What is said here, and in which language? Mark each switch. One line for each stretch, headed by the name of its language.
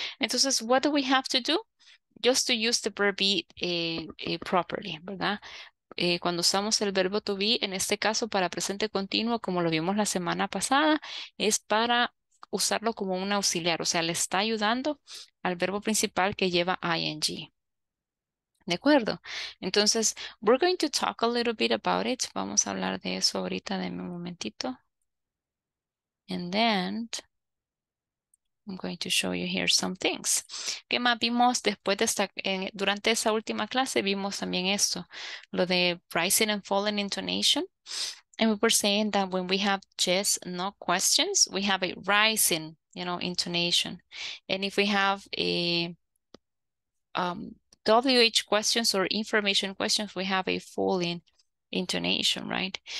Spanish: Entonces,
English: what do we have to do? Just to use the verb be properly,
Spanish: ¿verdad? Cuando usamos el verbo to be, en este caso para presente continuo, como lo vimos la semana pasada, es para usarlo como un auxiliar, o sea, le está ayudando al verbo principal que lleva ing. ¿De acuerdo? Entonces,
English: we're going to talk a little bit about it.
Spanish: Vamos a hablar de eso ahorita, de un momentito.
English: And then, I'm going to show you here some things.
Spanish: ¿Qué más vimos después de esta, durante esa última clase? Vimos también esto, lo de
English: rising and falling intonation. And we were saying that when we have yes, no questions, we have a rising, you know, intonation. And if we have a WH questions or information questions, we have a falling intonation, right?